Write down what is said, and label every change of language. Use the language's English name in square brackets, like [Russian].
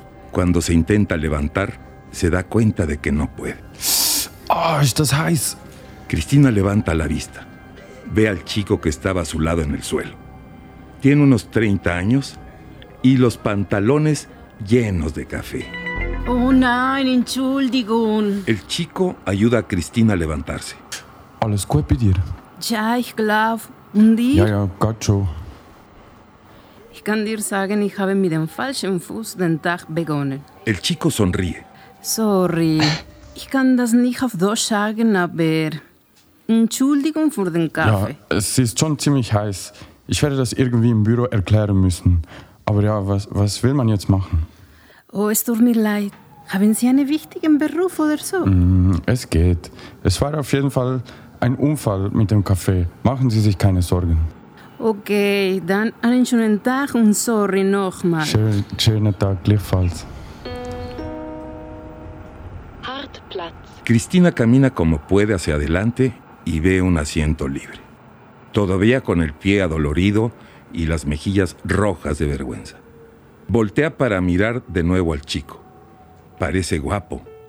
[Spanish] Cuando se intenta levantar, se da cuenta de que no puede. [German] ¡Oh, estás heiß! [Spanish] Cristina levanta la vista. Ve al chico que estaba a su lado en el suelo. Tiene unos 30 años y los pantalones llenos de café. [German] ¡Oh, nein, entschuldigung! [Spanish] El chico ayuda a Cristina a levantarse. [German] ¿Alles gut bei dir? Ja, ich glaube. Und dir? Ja, ja, gott schon. Ich kann dir sagen, ich habe mit dem falschen Fuß den Tag begonnen. [Spanish] El chico sonríe. [German] Sorry, ich kann das nicht auf Deutsch sagen, aber Entschuldigung für den Kaffee. Ja, es ist schon ziemlich heiß. Ich werde das irgendwie im Büro erklären müssen. Aber ja, was will man jetzt machen? Oh, es tut mir leid. Haben Sie einen wichtigen Beruf oder so? Es geht. Es war auf jeden Fall ein Unfall mit dem Kaffee. Machen Sie sich keine Sorgen. Okay, dann einen schönen Tag und sorry nochmal. Schönen Tag, gleichfalls. [Spanish] Cristina camina como puede hacia adelante y ve un asiento libre, todavía con el pie adolorido y las mejillas rojas de vergüenza. Voltea para mirar de nuevo al chico. Parece guapo.